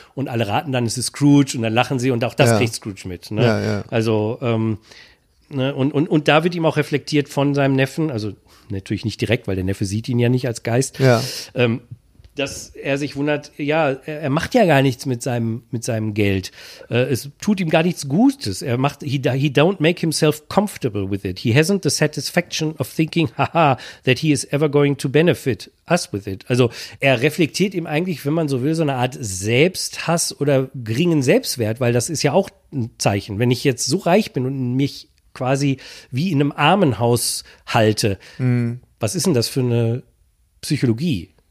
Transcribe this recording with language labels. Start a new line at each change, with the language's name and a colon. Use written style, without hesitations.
German: Und alle raten dann, es ist Scrooge. Und dann lachen sie und auch das kriegt Scrooge mit. Ne? Ja. Also, und da wird ihm auch reflektiert von seinem Neffen, also natürlich nicht direkt, weil der Neffe sieht ihn ja nicht als Geist. Ja. Dass er sich wundert, ja, er macht ja gar nichts mit seinem Geld. Es tut ihm gar nichts Gutes. Er macht,
English: he don't make himself comfortable with it. He hasn't the satisfaction of thinking, haha, that he is ever going to benefit us with it.
German: Also er reflektiert ihm eigentlich, wenn man so will, so eine Art Selbsthass oder geringen Selbstwert, weil das ist ja auch ein Zeichen. Wenn ich jetzt so reich bin und mich quasi wie in einem Armenhaus halte. Mhm. Was ist denn das für eine Psychologie?